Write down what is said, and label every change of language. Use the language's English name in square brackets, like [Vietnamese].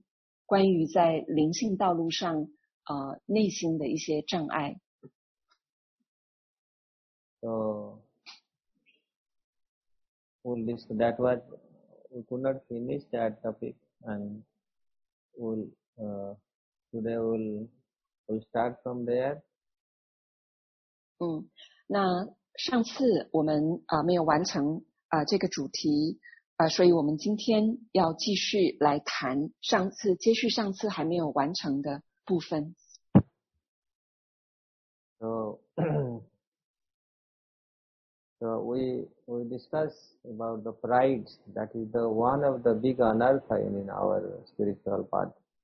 [Chinese] 我们有这个机会在上一次来跟大家讲述关于在灵性道路上 内心的一些障碍。 [English] So, we'll discuss that was, we could not finish that topic and we'll, today we'll start from there. [Chinese] 那上次我们 没有完成 这个主题, 所以我们今天要继续来谈上次, 接续上次还没有完成的部分。 [English] So we discuss about the pride that is the one of the big anartha in our spiritual path.